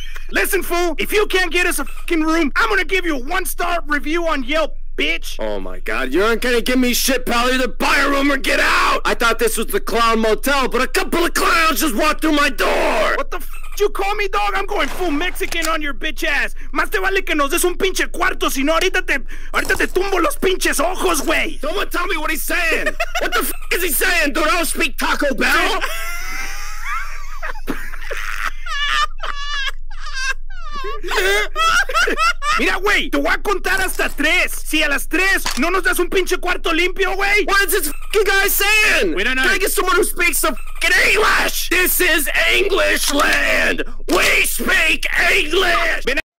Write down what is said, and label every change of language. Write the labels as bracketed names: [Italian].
[English] Listen, fool, if you can't get us a f***ing room, I'm gonna give you a one-star review on Yelp, bitch! Oh my god, you aren't gonna give me shit, pal, either buy a room or get out! I thought this was the clown motel, but a couple of clowns just walked through my door! What the f*** did you call me, dog? I'm going full Mexican on your bitch ass! [Spanish] Más te vale que nos des un pinche cuarto, sino ahorita te tumbo los pinches ojos, güey! [English] Someone tell me what he's saying! What the f*** is he saying? Dude, I don't speak Taco Bell! [Spanish] Mira, güey, te voy a contar hasta tres. Si a las tres no nos das un pinche cuarto limpio, güey. [English] What is this f***ing guy saying? We don't know. Can I get someone who speaks some f***ing English? This is English land. We speak English.